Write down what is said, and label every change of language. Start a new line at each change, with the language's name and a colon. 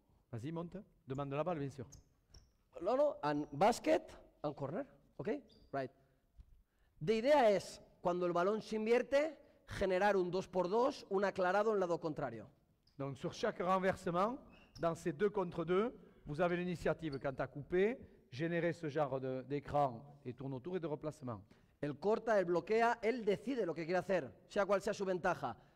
French: Vas-y, monte, demande la balle, bien sûr.
English: No, no, and basket, and corner, ok, right.
Spanish: La idea es, cuando el balón se invierte, generar un 2x2, un aclarado en lado contrario.
French: Donc, sur chaque renversement, dans ces 2 contre 2, vous avez l'initiative quand tu as coupé, générer ce genre d'écran et tourne autour et de replacement.
Spanish: Él corta, él bloquea, él decide lo que quiere hacer, sea cual sea su ventaja.